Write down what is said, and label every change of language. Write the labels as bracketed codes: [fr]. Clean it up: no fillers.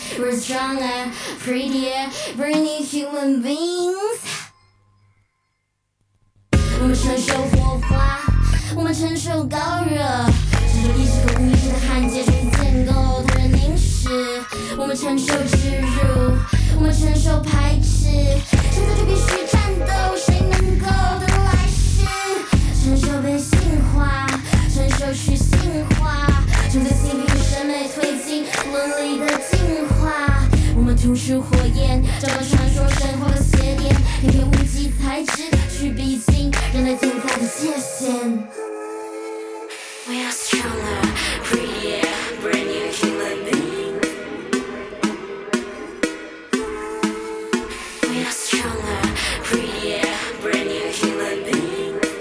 [en] We're stronger, prettier, brand new human beings. [zh] 我们承受火花，我们承受高热，这种意识和无意识的焊接，终于建构他人凝视。我们承受耻辱，我们承受排斥，承受就必须战斗，谁能够得来世？承受被驯化，承受去驯化，承载性别与审美推进伦理的进化。我们吐出火焰，找到传说神话的邪典，偏偏无极才智去逼近人类存在的界限。 [en] We are stronger, prettier, brand new human being. We are stronger, prettier, brand new human being.